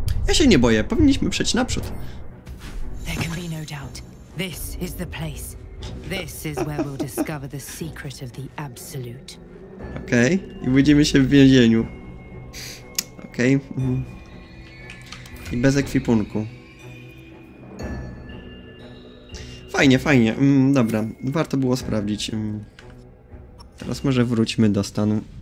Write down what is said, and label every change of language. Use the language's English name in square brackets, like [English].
[Polish] Ja się nie boję, powinniśmy przejść naprzód. [English] There can be no doubt. This is the place. This is where we'll discover the secret of the absolute. [Polish] Okej, okay. I będziemy się w więzieniu. Okej. Okay. I bez ekwipunku. Fajnie, fajnie. Dobra, warto było sprawdzić. Teraz może wróćmy do stanu.